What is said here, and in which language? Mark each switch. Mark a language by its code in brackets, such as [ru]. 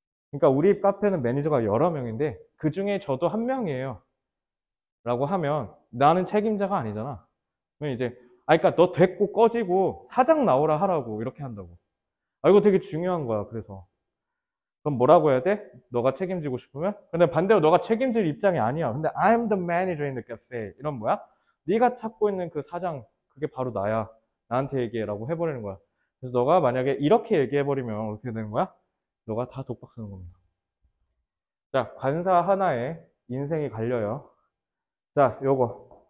[ko] 그러니까 우리 카페는 매니저가 여러 명인데 그중에 저도 한 명이에요 라고 하면 나는 책임자가 아니잖아. 그럼 이제 아, 그러니까 너 됐고 꺼지고 사장 나오라 하라고 이렇게 한다고. 아, 이거 되게 중요한 거야. 그래서 그럼 뭐라고 해야 돼? 너가 책임지고 싶으면? 근데 반대로 너가 책임질 입장이 아니야. [en] 근데 I'm the manager in the cafe [ko] 이런 뭐야? 네가 찾고 있는 그 사장 그게 바로 나야. 나한테 얘기해라고 해버리는 거야. 그래서 너가 만약에 이렇게 얘기해버리면 어떻게 되는 거야? 너가 다 독박 쓰는 겁니다. 자, 관사 하나에 인생이 갈려요. 자, 요거.